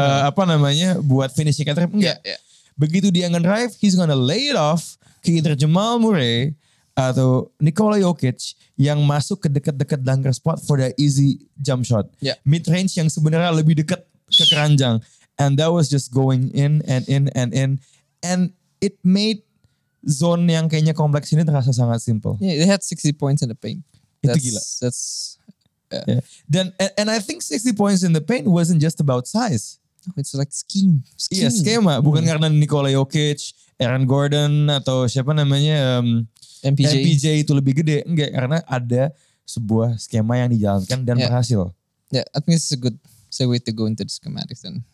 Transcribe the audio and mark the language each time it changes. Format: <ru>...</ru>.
<id>Apa namanya, buat finishing attempt. Enggak.</id> <en>Yeah, yeah.</en> <id>Begitu dia nge-drive,</id> <en>he's gonna lay it off ke either Jamal Murray atau Nikola Jokic</en> <id>yang masuk ke dekat-dekat</id> <en>dunker spot for the easy jump shot. Yeah.</en> <id>Mid range yang sebenarnya lebih dekat ke keranjang.</id> <en>And that was just going in and in and in. And it made zone</en> <id>yang kayaknya kompleks ini terasa sangat simple.</id> <en>Yeah, they had 60 points in the paint.</en> <id>Itu gila.</id> <en>That's, yeah. Then, and I think 60 points in the paint wasn't just about size. It's like scheme.</en> <id>Iya, yeah, skema. Bukan karena Nikola Jokic, Aaron Gordon, atau siapa namanya, MPJ. MPJ itu lebih gede. Enggak, karena ada sebuah skema yang dijalankan dan berhasil.</id> <en>Yeah, I think it's a good way to go into the schematics then.</en>